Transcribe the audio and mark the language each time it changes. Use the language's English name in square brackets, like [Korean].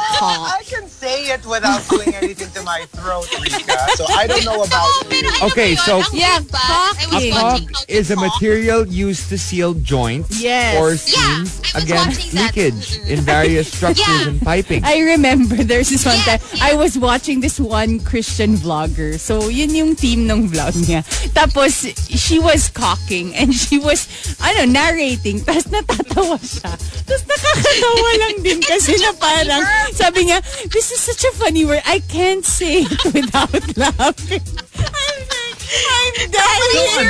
[English] I can say it without doing anything to my throat, Rica. So, I don't know about you. Okay, so, caulking. A caulk is a material used to seal joints or seams against leakage in various structures and piping. I remember, there's this one time, I was watching this one Christian vlogger. [Filipino] So, yun yung theme ng vlog niya. [English] Tapos, she was caulking and she was, narrating. [Filipino] Tapos natatawa siya. Tapos nakakatawa lang din kasi na parang, sabi niya, [English] this is such a funny word. I can't say it without laughing. I'm dying.